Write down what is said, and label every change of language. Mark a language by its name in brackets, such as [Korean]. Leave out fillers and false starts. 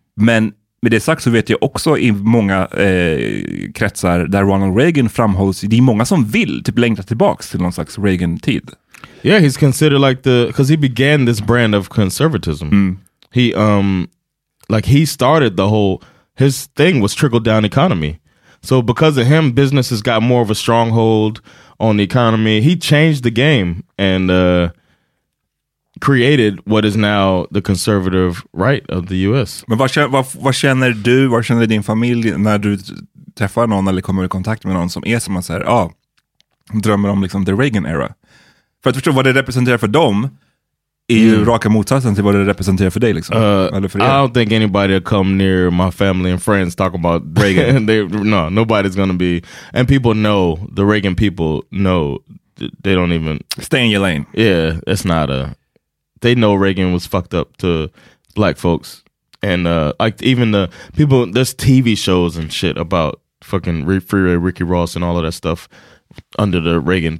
[Swedish] Men med det sagt så vet jag också i många kretsar där Ronald Reagan framhålls, det är många som vill typ längta tillbaks till någon slags Reagan-tid. [English] Yeah, he's considered like the... Because he began this brand of conservatism. Mm. He, like, he started the whole... His thing was trickle-down economy. So because of him, businesses got more of a stronghold on the economy. He changed the game and created what is now the conservative right of the US. [Swedish] Men vad känner du, vad känner din familj när du träffar någon eller kommer i kontakt med någon som är som man säger, drömmer om liksom [English] the Reagan era? [Swedish] För att förstå vad det representerar för dem är ju raka motsatsen till vad det representerar för dig liksom. Eller för er. [English] I don't think anybody will come near my family and friends talking about Reagan. nobody's gonna be, and people know, the Reagan people know, they don't even stay in your lane. Yeah, it's not a... They know Reagan was fucked up to black folks. And like, even the people, there's TV shows and shit about fucking Freeway Ricky Ross and all of that stuff under the Reagan.